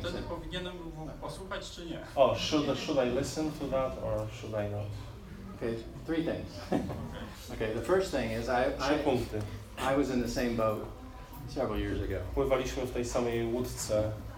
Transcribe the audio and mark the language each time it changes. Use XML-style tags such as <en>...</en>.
<pl>Wtedy powinienem posłuchać czy nie?</pl> <en>Oh, should I listen to that or should I not? Okay, three things. Okay, the first thing is I was in the same boat several years ago.</en> <pl>Pływaliśmy w tej samej łódce.</pl>